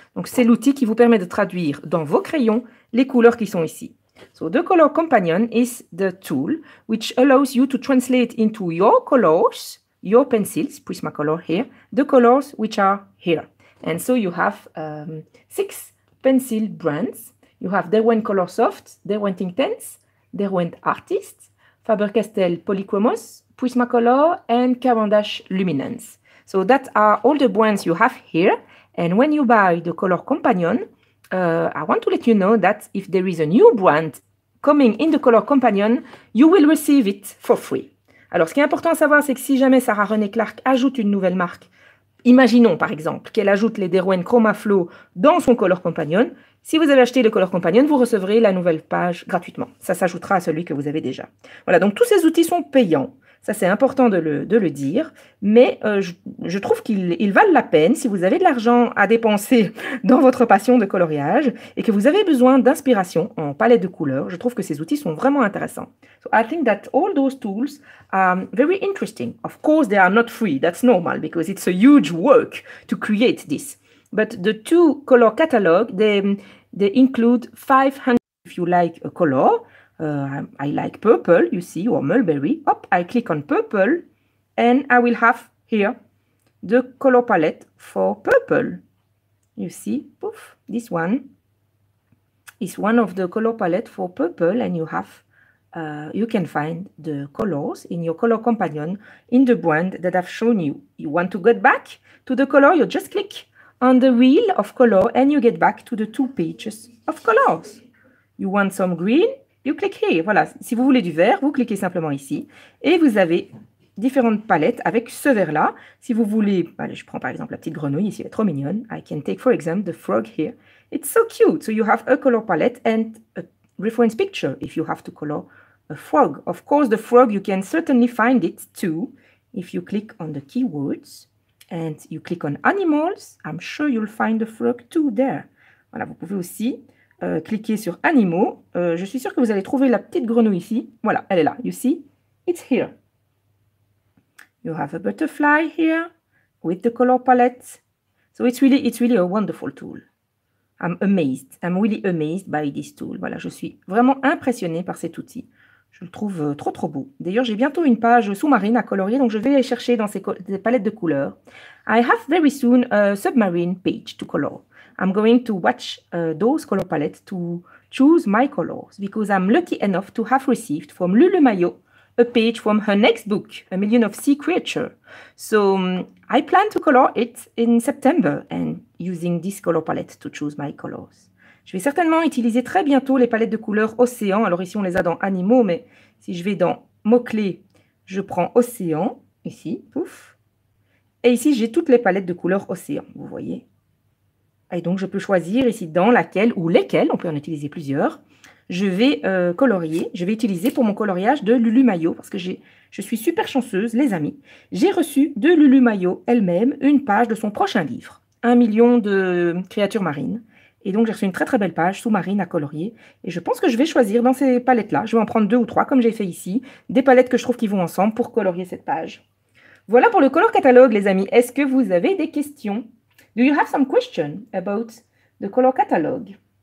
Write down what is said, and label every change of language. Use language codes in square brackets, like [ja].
[fr] Donc, c'est l'outil qui vous permet de traduire dans vos crayons les couleurs qui sont ici. [en] So, the Color Companion is the tool which allows you to translate into your colors, your pencils, Prismacolor here, the colors which are here. And so, you have six pencil brands. You have Derwent Colorsoft, Derwent Inktense, Derwent Artist, Faber-Castell Polychromos, Prismacolor, and Caran-d'Ache Luminance. So that are all the brands you have here. And when you buy the Color Companion, I want to let you know that if there is a new brand coming in the Color Companion, you will receive it for free. [fr] Alors, ce qui est important à savoir, c'est que si jamais Sarah Renée Clark ajoute une nouvelle marque, imaginons par exemple qu'elle ajoute les Derwent Chromaflow dans son Color Companion, si vous avez acheté le Color Companion, vous recevrez la nouvelle page gratuitement. Ça s'ajoutera à celui que vous avez déjà. Voilà, donc tous ces outils sont payants. Ça, c'est important de le dire. Mais je trouve qu'ils valent la peine si vous avez de l'argent à dépenser dans votre passion de coloriage et que vous avez besoin d'inspiration en palette de couleurs. Je trouve que ces outils sont vraiment intéressants. [en] So I think that all those tools are very interesting. Of course, they are not free. That's normal because it's a huge work to create this. But the two color catalog, they include 500. If you like a color, I like purple, you see, or mulberry. Hop, I click on purple and I will have here the color palette for purple. You see, poof, this one is one of the color palette for purple and you have, you can find the colors in your color companion in the brand that I've shown you. You want to get back to the color, you just click on the wheel of color and you get back to the two pages of colors. You want some green, you click here. [fr] Voilà, si vous voulez du vert, vous cliquez simplement ici et vous avez différentes palettes avec ce vert-là. Si vous voulez, allez, je prends par exemple la petite grenouille ici, elle est trop mignonne. [en] I can take for example the frog here. It's so cute. So you have a color palette and a reference picture if you have to color a frog. Of course, the frog, you can certainly find it too if you click on the keywords. And you click on animals, I'm sure you'll find the frog too there. [fr] Voilà, vous pouvez aussi cliquer sur animaux. Je suis sûre que vous allez trouver la petite grenouille ici. Voilà, elle est là. [en] You see, it's here. You have a butterfly here with the color palette. So it's really a wonderful tool. I'm really amazed by this tool. [fr] Voilà, je suis vraiment impressionnée par cet outil. Je le trouve trop, trop beau. D'ailleurs, j'ai bientôt une page sous-marine à colorier, donc je vais aller chercher dans ces palettes de couleurs. [en] I have very soon a submarine page to color. I'm going to watch those color palettes to choose my colors because I'm lucky enough to have received from Lulu Mayo a page from her next book, A Million of Sea Creatures. So I plan to color it in September and using this color palette to choose my colors. [fr] Je vais certainement utiliser très bientôt les palettes de couleurs océan. Alors ici, on les a dans animaux, mais si je vais dans mots-clés, je prends océan, ici, pouf. Et ici, j'ai toutes les palettes de couleurs océan, vous voyez. Et donc, je peux choisir ici dans laquelle ou lesquelles, on peut en utiliser plusieurs. Je vais colorier, je vais utiliser pour mon coloriage de Lulu Mayo, parce que je suis super chanceuse, les amis. J'ai reçu de Lulu Mayo elle-même une page de son prochain livre. 1 million de créatures marines. Et donc, j'ai reçu une très, très belle page sous-marine à colorier. Et je pense que je vais choisir dans ces palettes-là. Je vais en prendre deux ou trois, comme j'ai fait ici. Des palettes que je trouve qui vont ensemble pour colorier cette page. Voilà pour le color catalogue, les amis. Est-ce que vous avez des questions? [en] Do you have some questions about the color catalogue?